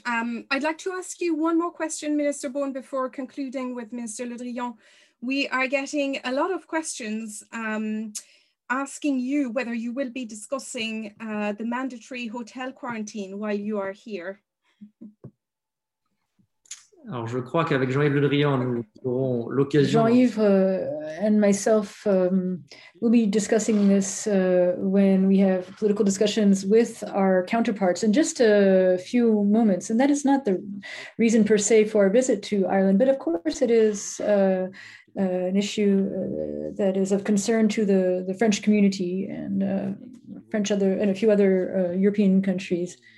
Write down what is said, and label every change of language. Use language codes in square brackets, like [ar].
[en] I'd like to ask you one more question, Minister Beaune, before concluding with Minister Le Drian. We are getting a lot of questions asking you whether you will be discussing the mandatory hotel quarantine while you are here. [fr] Alors, je crois qu'avec Jean-Yves Le Drian, nous aurons l'occasion. [en] Jean-Yves and myself will be discussing this when we have political discussions with our counterparts in just a few moments. And that is not the reason per se for our visit to Ireland, but of course it is an issue that is of concern to the French community and French other and a few other European countries.